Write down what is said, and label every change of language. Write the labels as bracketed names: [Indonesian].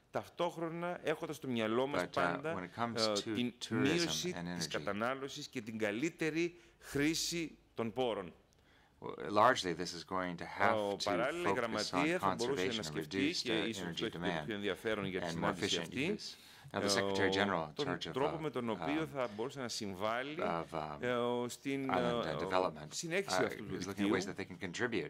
[Greek] Ταυτόχρονα έχοντας στο μυαλό μας πάντα την μείωση της κατανάλωσης και την καλύτερη χρήση των πόρων. [English] Largely, this is going to have to focus on conservation and reduce energy demand and more efficient use. Now, the Secretary General in charge of [Greek] τρόπο με τον οποίο θα μπορούσε να συμβάλλει στην συνέχιση αυτού του δικτύου.